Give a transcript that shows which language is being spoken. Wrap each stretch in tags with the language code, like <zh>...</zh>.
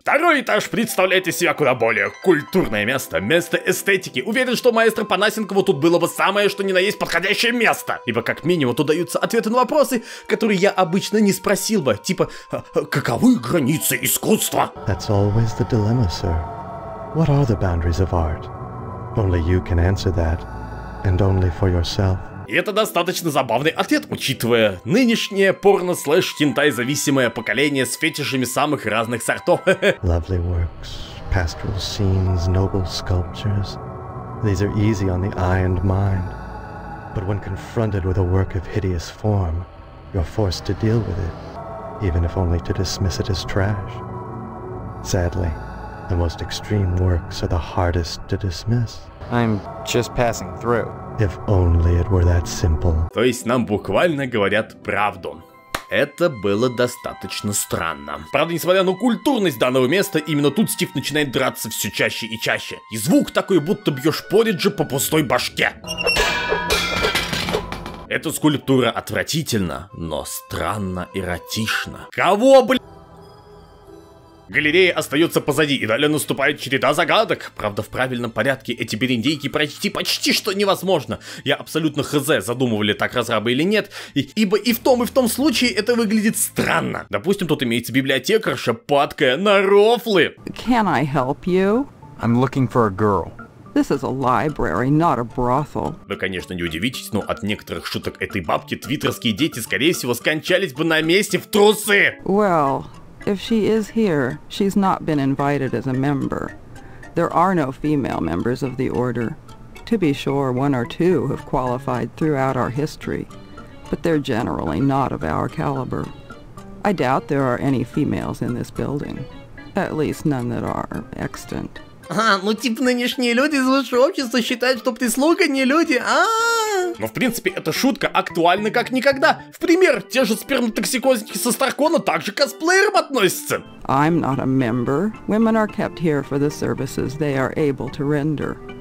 <ru>Второй этаж представляет из себя куда более культурное место, место эстетики. Уверен, что маэстро Панасенкову тут было бы самое что ни на есть подходящее место. Ибо как минимум тут даются ответы на вопросы, которые я обычно не спросил бы. Типа, каковы границы искусства?</ru> <en>That's always the dilemma, sir. What are the boundaries of art? Only you can answer that, and only for yourself.</en> <ru>И это достаточно забавный ответ, учитывая нынешнее порно-слэш-хентай-зависимое поколение с фетишами самых разных сортов.</ru> <en>Lovely works, pastoral scenes, noble sculptures. These are easy on the eye and mind. But when confronted with a work of hideous form, you're forced to deal with it, even if only to dismiss it as trash. Sadly, the most extreme works are the hardest to dismiss. I'm just passing through. If only it were that simple.</en> <ru>То есть нам буквально говорят правду. Это было достаточно странно. Правда, несмотря на культурность данного места, именно тут Стив начинает драться все чаще и чаще. И звук такой, будто бьешь пориджи по пустой башке. Эта скульптура отвратительна, но странно эротична. Кого, блядь? Галерея остается позади, и далее наступает череда загадок. Правда, в правильном порядке эти бериндейки пройти почти что невозможно. Я абсолютно хз, задумывали так разрабы или нет, ибо и в том случае это выглядит странно. Допустим, тут имеется библиотекарша, падкая на рофлы.</ru> <en>Can I help you? I'm looking for a girl. This is a library, not a brothel.</en> <ru>Вы, конечно, не удивитесь, но от некоторых шуток этой бабки твиттерские дети, скорее всего, скончались бы на месте в трусы.</ru> <en>Well... If she is here, she's not been invited as a member. There are no female members of the order. To be sure, one or two have qualified throughout our history, but they're generally not of our caliber. I doubt there are any females in this building. At least none that are extant.</en> <ru>Ну типа нынешние люди из высшего общества считают, что прислуга не люди, Но в принципе эта шутка актуальна как никогда. В пример, те же спермотоксикозники со Старкона также к косплеерам относятся.</ru> <en>I'm not a member. Women are kept here for the services they are able to render.</en>